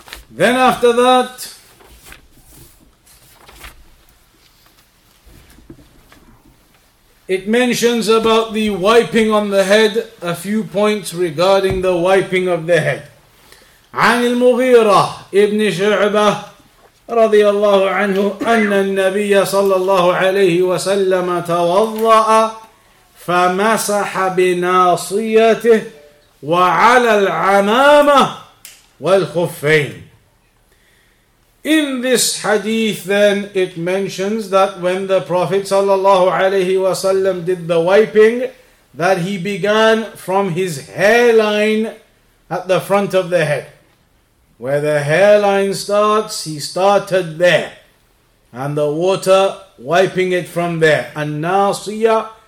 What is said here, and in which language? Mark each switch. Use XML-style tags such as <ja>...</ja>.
<en>Then after that, it mentions about the wiping on the head, a few points regarding the wiping of the head.</en> <ar>عن المغيرة ابن شعبة رضي الله عنه أن النبي صلى الله عليه وسلم توضأ فمسح بناصيته وعلى العمامة والخفين.</ar> <en>In this hadith then, it mentions that when the Prophet sallallahu alayhi wasallam did the wiping, that he began from his hairline at the front of the head. Where the hairline starts, he started there. And the water, wiping it from there. And nasiyah,</en>